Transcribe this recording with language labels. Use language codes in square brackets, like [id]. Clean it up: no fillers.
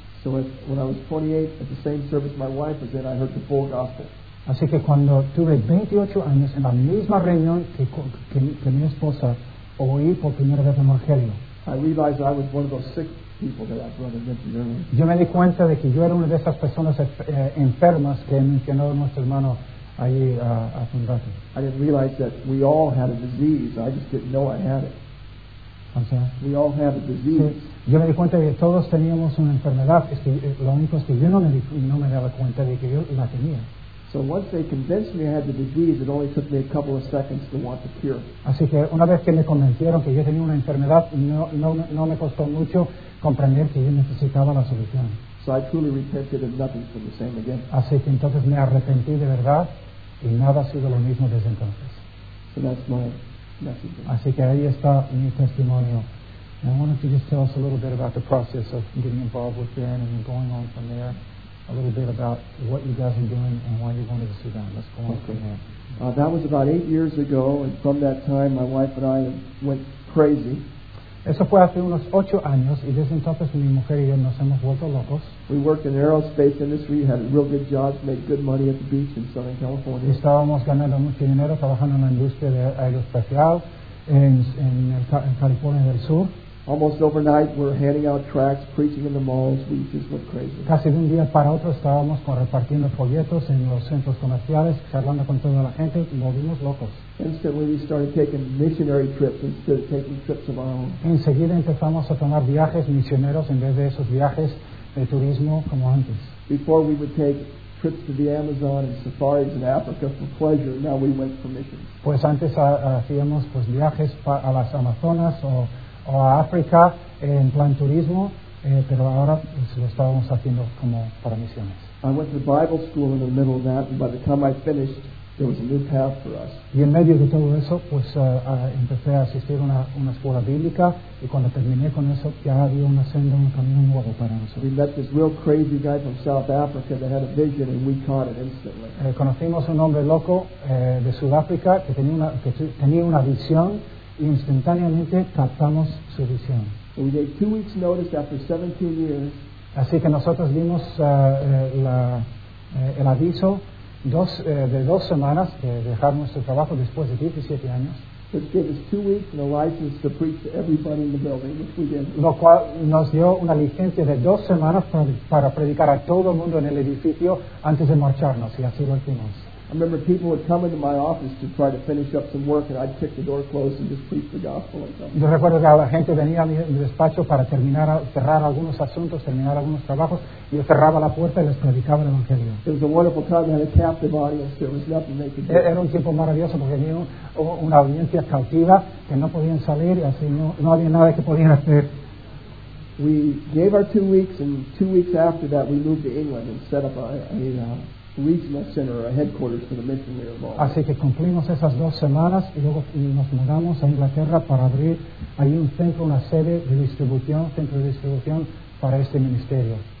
[en] So when I was 28, at the same service my wife was in, I heard the full gospel. [es] Así que cuando tuve 28 años en la misma reunión que mi esposa, oí por primera vez el evangelio. [en] I realized I was one of those sick people that that brother mentioned earlier. [es] Yo me di cuenta de que yo era una de esas personas enfermas que mencionó nuestro hermano ahí hace un rato. [en] I didn't realize that we all had a disease. I just didn't know I had it. I'm sorry. We all had a disease. [es] Sí. Yo me di cuenta de que todos teníamos una enfermedad. Es que lo único es que yo no me daba cuenta de que yo la tenía. [en] So once they convinced me I had the disease, it only took me a couple of seconds to want the cure. [es] Así que una vez que me convencieron que yo tenía una enfermedad, no me costó mucho comprender que yo necesitaba la solución. [en] So I truly repented and nothing's been the same again. [es] Así que entonces me arrepentí de verdad y nada ha sido lo mismo desde entonces. [en] So that's my message. [es] Así que ahí está mi testimonio. [en] Now I wanted to just tell us a little bit about the process of getting involved with Ben and going on from there. A little bit about what you guys are doing and why you wanted to sit down. Let's go on from there. That was about 8 years ago, and from that time, my wife and I went crazy. [es] Eso fue hace unos 8 años, y desde entonces mi mujer y yo nos hemos vuelto locos. [en] We worked in the aerospace industry, had real good jobs, made good money at the beach in Southern California. [es] Y estábamos ganando mucho dinero trabajando en la industria de aeroespacial en California del Sur. [en] Almost overnight, we're handing out tracts, preaching in the malls. We just went crazy. [es] Casi de un día para otro estábamos repartiendo folletos en los centros comerciales, charlando con toda la gente. Volvimos locos. [en] Instantly, we started taking missionary trips instead of taking trips of our own. [es] Enseguida empezamos a tomar viajes misioneros en vez de esos viajes de turismo como antes. [en] Before, we would take trips to the Amazon and safaris in Africa for pleasure. Now we went for missions. [es] Pues antes hacíamos viajes a las Amazonas o a África en plan turismo, pero ahora lo estábamos haciendo como para misiones. [en] I went to Bible school in the middle of that, and by the time I finished, there was a new path for us. [es] Y en medio de todo eso, empecé a asistir a una escuela bíblica, y cuando terminé con eso, ya había una senda, un camino nuevo para nosotros. [en] We met this real crazy guy from South Africa that had a vision, and we caught it instantly. [es] Conocimos un hombre loco de Sudáfrica que tenía una visión. Instantáneamente captamos su visión. [en] We gave 2 weeks notice after 17 years. [es] Así que nosotros dimos el aviso de 2 semanas de dejar nuestro trabajo después de 17 años. [en] Which gave us 2 weeks and a license to preach to everybody in the building, which we did. [es] Lo cual nos dio una licencia de 2 semanas para predicar a todo el mundo en el edificio antes de marcharnos, y así lo hicimos. [en] I remember people would come into my office to try to finish up some work, and I'd kick the door closed and just preach the gospel. [es] Yo recuerdo que la gente venía a mi despacho para cerrar algunos asuntos, terminar algunos trabajos, y yo cerraba la puerta y les predicaba el evangelio. [en] It was a wonderful time. They had a captive audience. There was nothing they could do. [es] Era un tiempo maravilloso porque tenían una audiencia cautiva que no podían salir, y así no había nada que podían hacer. [en] We gave our 2 weeks, and 2 weeks after that, we moved to England and set up a regional center, a headquarters for the mission we were involved. [es] Así que cumplimos esas 2 semanas y luego nos mudamos a Inglaterra para abrir ahí un centro, una sede de distribución, centro de distribución para este ministerio.